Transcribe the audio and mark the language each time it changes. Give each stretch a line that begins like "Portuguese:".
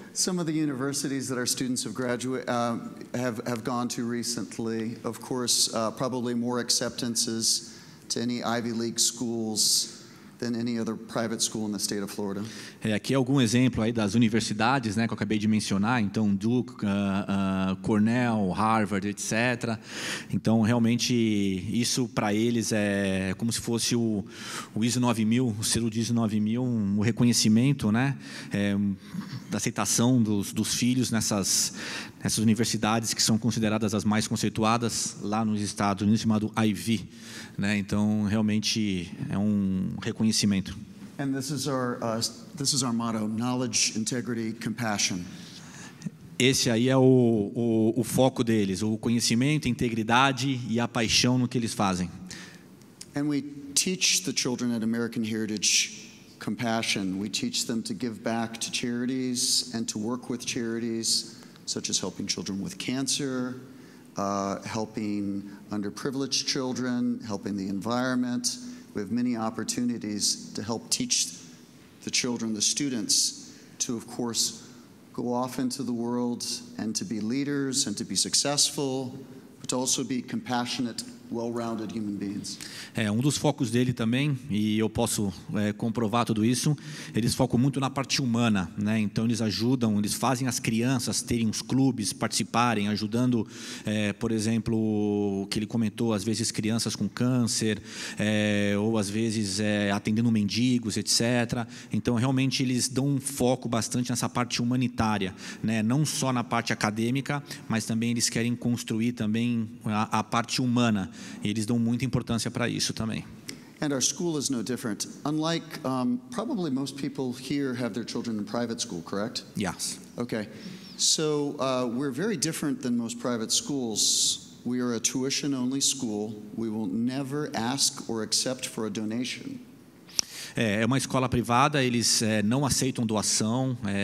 English: Some of the universities that our students have graduated have gone to recently, of course, probably more acceptances to any Ivy League schools than any other private school in the state of Florida.
Portuguese: Aqui é algum exemplo aí das universidades, né, que eu acabei de mencionar, então Duke, Cornell, Harvard, etc. Então, realmente, isso para eles é como se fosse o ISO 9000, o selo de ISO 9000, um reconhecimento, né, da aceitação dos filhos nessas universidades que são consideradas as mais conceituadas lá nos Estados Unidos, chamado Ivy, né? Então, realmente, é um reconhecimento.
English: And this is our motto: knowledge, integrity, compassion.
Portuguese: Esse aí é o foco deles, o conhecimento, integridade e a paixão no que eles fazem.
English: And we teach the children at American Heritage compassion. We teach them to give back to charities and to work with charities, such as helping children with cancer, helping underprivileged children, helping the environment. We have many opportunities to help teach the children, the students, to, of course, go off into the world and to be leaders and to be successful, but to also be compassionate, well-rounded human beings.
Portuguese: Um dos focos dele também, e eu posso comprovar tudo isso, eles focam muito na parte humana, né? Então eles ajudam, eles fazem as crianças terem os clubes, participarem, ajudando, por exemplo, o que ele comentou, às vezes crianças com câncer, ou às vezes atendendo mendigos, etc. Então realmente eles dão um foco bastante nessa parte humanitária, né? Não só na parte acadêmica, mas também eles querem construir também a parte humana. E eles dão muita importância para isso também.
English: And our school is no different. Unlike probably most people here have their children in private school, correct? Yes. Okay. So we're very different than most private schools. We are a tuition-only school. We will never ask or accept for a donation.
Portuguese: É uma escola privada, eles não aceitam doação.